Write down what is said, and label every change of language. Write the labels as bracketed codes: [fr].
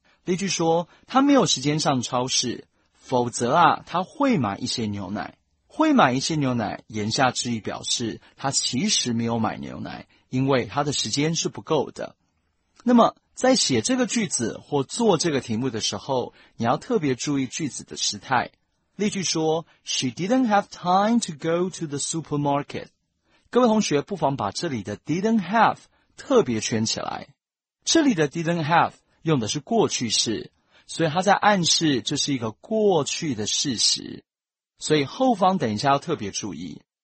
[zh] 例句说，他没有时间上超市，否则啊，他会买一些牛奶。会买一些牛奶，言下之意表示他其实没有买牛奶，因为他的时间是不够的。那么在写这个句子或做这个题目的时候，你要特别注意句子的时态。例句说 [en] She didn't have time to go to the supermarket。 [zh] 各位同学不妨把这里的 didn't have 特别圈起来。这里的 didn't have 用的是过去式，所以他在暗示这是一个过去的事实，所以后方等一下要特别注意。